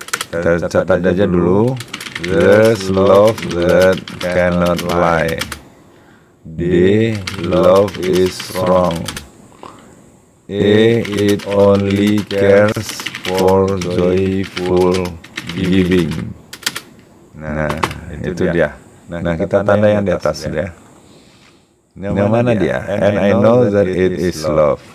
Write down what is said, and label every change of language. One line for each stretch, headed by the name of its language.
Indonesian: Kita catat aja dulu.
English: There's love that cannot lie. D, love is strong. E, it only cares for joyful giving.
Indonesian: Nah, itu dia. Nah, kita tanda yang di atas ya. Yang mana dia?
English: And I know that it is love.